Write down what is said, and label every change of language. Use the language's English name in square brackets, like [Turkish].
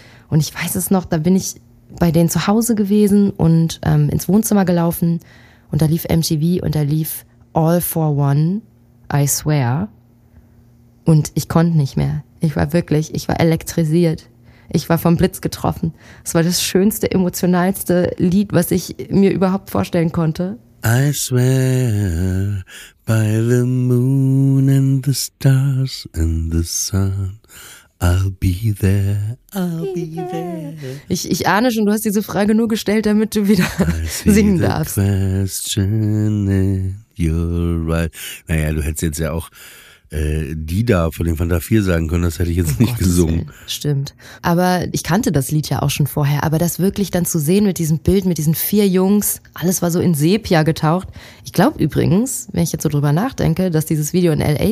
[German] Und ich weiß es noch, da bin ich bei denen zu Hause gewesen und ins Wohnzimmer gelaufen und da lief MTV und da lief All for One, I swear. Und ich konnte nicht mehr. Ich war elektrisiert. Ich war vom Blitz getroffen. Es war das schönste, emotionalste Lied, was ich mir überhaupt vorstellen konnte. [English] I swear by the moon and the stars and the sun. I'll be there, I'll be there. [German] Ich ahne schon, du hast diese Frage nur gestellt, damit du wieder singen darfst. [English] I see the question in your eyes. [German] Naja, du hättest jetzt ja auch die da von den Fanta 4 sagen können, das hätte ich jetzt nicht gesungen. Stimmt, aber ich kannte das Lied ja auch schon vorher, aber das wirklich dann zu sehen mit diesem Bild, mit diesen 4 Jungs, alles war so in Sepia getaucht. Ich glaube übrigens, wenn ich jetzt so drüber nachdenke, dass dieses Video in L.A.